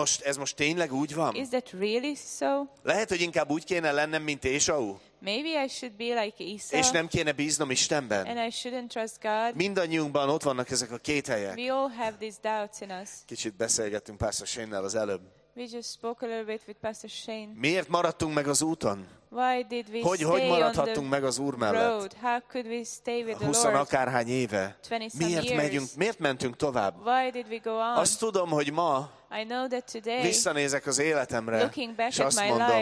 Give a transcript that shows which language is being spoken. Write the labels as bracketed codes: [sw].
[hu] Ez most tényleg úgy van? [en] Is that really so? [hu] Lehet, hogy inkább úgy kéne lennem, mint Ésau? [en] Maybe I should be like Esau. [hu] És nem kéne bíznom Istenben. [en] And I shouldn't trust God. [hu] Mindannyiunkban ott vannak ezek a kételyek. [en] We all have these doubts in us. [hu] Kicsit beszélgettünk Pastor Shane-nel az előbb. [en] We just spoke a little bit with Pastor Shane. [hu] Miért maradtunk meg az úton? [en] Why did we [hu] hogy maradhattunk meg az Úr mellett? [en] How could we stay with the Lord? [hu] 20 akárhány éve. Miért mentünk tovább? [en] Why did we go on? [hu] Azt tudom, hogy ma [en] I know that today, [hu] visszanézek az életemre, [en] looking back [hu] és azt [en] at my [hu] mondom,